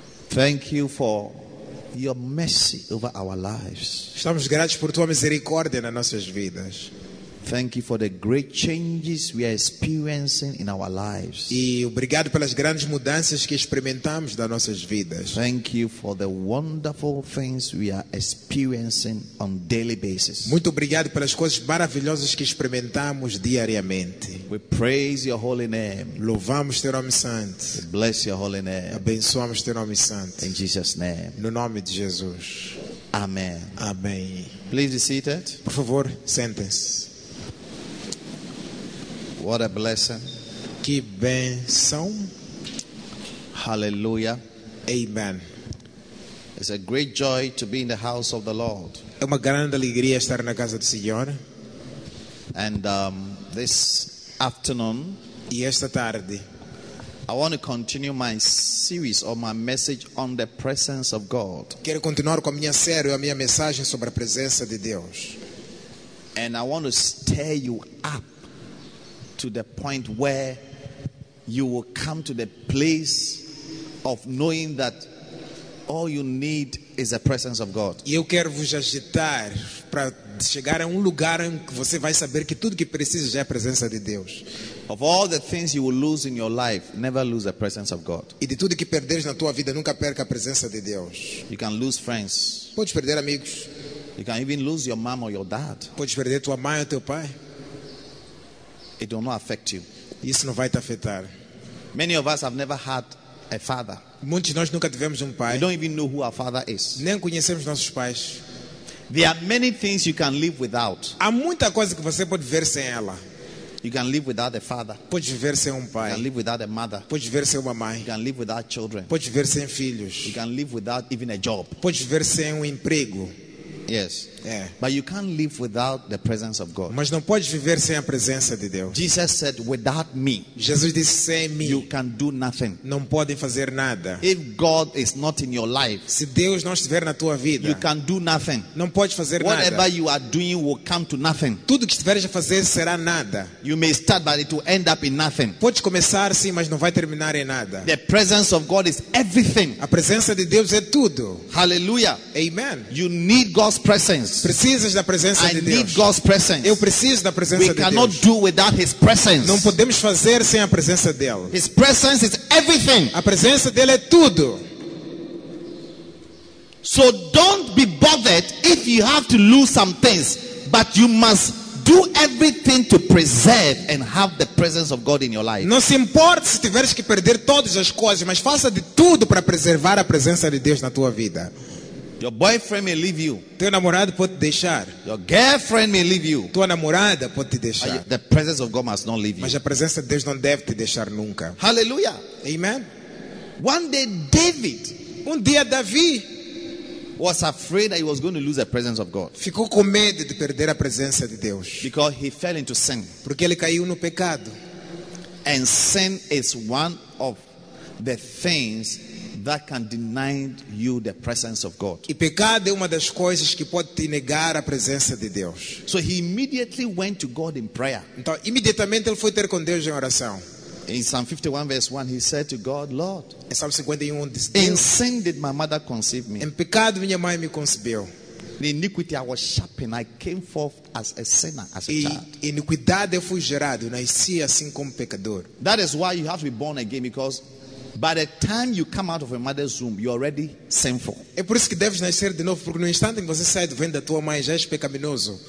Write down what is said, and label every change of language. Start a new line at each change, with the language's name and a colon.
English: Thank you for your mercy over our lives.
Portuguese: Estamos gratos por tua misericórdia nas nossas vidas.
English: Thank you for the great changes we are experiencing in our lives.
Portuguese: E obrigado pelas grandes mudanças que experimentamos nas nossas vidas.
English: Thank you for the wonderful things we are experiencing on daily basis.
Portuguese: Muito obrigado pelas coisas maravilhosas que experimentamos diariamente.
English: We praise your holy name.
Portuguese: Louvamos teu nome santo.
English: We bless your holy name.
Portuguese: Abençoamos teu nome santo.
English: In Jesus' name.
Portuguese: No nome de Jesus.
English: Amen.
Portuguese: Amém.
English: Please be seated.
Portuguese: Por favor, sentem-se.
English: What a blessing.
Portuguese: Que bênção. Hallelujah. Amen.
English: It's a great joy to be in the house of the Lord.
Portuguese: É uma grande alegria estar na casa do Senhor.
English: And this afternoon,
Portuguese: e esta tarde,
English: I want to continue my series or my message on the presence of God.
Portuguese: Quero continuar com a minha série, a minha mensagem sobre a presença de Deus.
English: And I want to stir you up to the point where you will come to the place of knowing that all you need is the presence of God.
Portuguese: E eu quero vos agitar para chegar a lugar em que você vai saber que tudo que precisa já é a presença de Deus.
English: Of all the things you will lose in your life, never lose the presence of God.
Portuguese: E de tudo que perderes na tua vida, nunca perca a presença de Deus.
English: You can lose friends.
Portuguese: Podes perder amigos.
English: You can even lose your mom or your dad.
Portuguese: Podes perder tua mãe ou teu pai.
English: It will not affect you.
Portuguese: Isso não vai te afetar.
English: Many of us have never had a father.
Portuguese: Muitos de nós nunca tivemos pai.
English: We don't even know who our father is.
Portuguese: Nem conhecemos nossos pais.
English: There are many things you can live without.
Portuguese: Há muita coisa que você pode viver sem ela.
English: You can live without a father.
Portuguese: Pode viver sem pai.
English: You can live without a mother.
Portuguese: Pode viver sem mãe.
English: You can live without children.
Portuguese: Pode viver sem filhos.
English: You can live without even a job.
Portuguese: Pode viver sem emprego.
English: Yes. Yeah. But you can't live without the presence of God.
Portuguese: Mas não podes viver sem a presença de Deus.
English: Jesus said, "Without me."
Portuguese: Jesus disse, sem mim.
English: You can do nothing.
Portuguese: Não podem fazer nada.
English: If God is not in your life,
Portuguese: se Deus não estiver na tua vida,
English: you can do nothing.
Portuguese: Não podes fazer
English: whatever
Portuguese: nada.
English: Whatever you are doing will come to nothing.
Portuguese: Tudo que estiveres a fazer será nada.
English: You may start, but it will end up in nothing.
Portuguese: Podes começar sim, mas não vai terminar em nada.
English: The presence of God is everything.
Portuguese: A presença de Deus é tudo. Hallelujah. Amen.
English: You need God's presence.
Portuguese: Precisas da presença de Deus.
English: I need God's presence.
Portuguese: Eu preciso da presença de Deus.
English: We cannot do without His presence.
Portuguese: Não podemos fazer sem a presença dele.
English: His presence is everything.
Portuguese: A presença dele é tudo.
English: So don't be bothered if you have to lose some things, but you must do everything to preserve and have the presence of God in your life.
Portuguese: Não se importe se tiveres que perder todas as coisas, mas faça de tudo para preservar a presença de Deus na tua vida.
English: Your boyfriend may leave you.
Portuguese: Teu namorado pode te deixar.
English: Your girlfriend may leave you.
Portuguese: Tua namorada pode te deixar.
English: The presence of God must not leave you.
Portuguese: Mas a presença de Deus não deve te deixar nunca. Hallelujah. Amen.
English: One day David,
Portuguese: um dia Davi,
English: was afraid that he was going to lose the presence of God.
Portuguese: Ficou com medo de perder a presença de Deus.
English: Because he fell into sin.
Portuguese: Porque ele caiu no pecado.
English: And sin is one of the things that can deny you the presence of God.
Portuguese: E pecado é uma das coisas que pode te negar a presença de Deus.
English: So he immediately went to God in prayer.
Portuguese: Então imediatamente ele foi ter com Deus em oração.
English: In Psalm 51 verse 1 he said to God, Lord,
Portuguese: em Salmo 51, Deus,
English: in sin did my mother conceive me.
Portuguese: Em pecado minha mãe me concebeu.
English: In iniquity I was sharpened, I came forth as a sinner, as a child.
Portuguese: E iniquidade eu fui gerado, nasci assim como pecador.
English: That is why you have to be born again, because by the time you come out of your mother's womb, you're already sinful.
Portuguese: É por isso que deves nascer de novo, porque no instante em que você sai do ventre da tua mãe já és pecaminoso.